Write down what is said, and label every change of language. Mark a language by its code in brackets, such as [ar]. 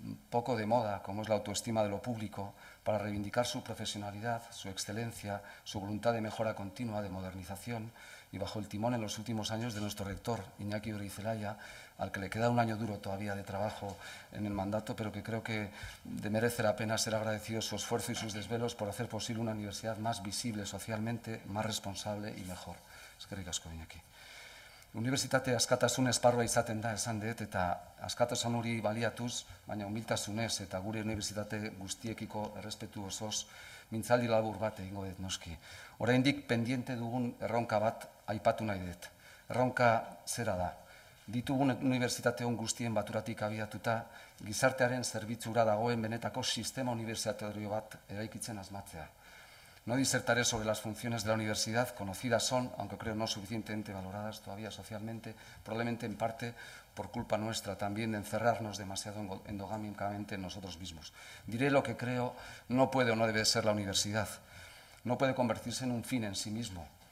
[es] poco de moda, como es la autoestima de lo público, para reivindicar su profesionalidad, su excelencia, su voluntad de mejora continua, de modernización, y bajo el timón en los últimos años de nuestro rector, Iñaki Urizelaia, al que le queda un año duro todavía de trabajo en el mandato, pero que creo que merece la pena ser agradecido su esfuerzo y sus desvelos por hacer posible una universidad más visible socialmente, más responsable y mejor. [eu] Eskerrik asko, Iñaki. Unibertsitate askatasun esparrua izaten da esan dut, eta askatasun hori baliatuz, baina humiltasunez eta gure unibertsitate guztiekiko errespetu osoz, mintzaldi labur bat egingo dut noski. Oraindik pendiente dugun erronka bat aipatu nahi dut. Erronka zera da. Ditugun unibertsitate on guztien baturatik abiatuta, gizartearen zerbitzura dagoen benetako sistema unibertsitario bat eraikitzen asmatzea. [es] No disertaré sobre las funciones de la universidad, conocidas son, aunque creo no suficientemente valoradas todavía socialmente, probablemente en parte por culpa nuestra también de encerrarnos demasiado endogámicamente en nosotros mismos. Diré lo que creo no puede o no debe ser la universidad. No puede convertirse en un fin en sí mismo.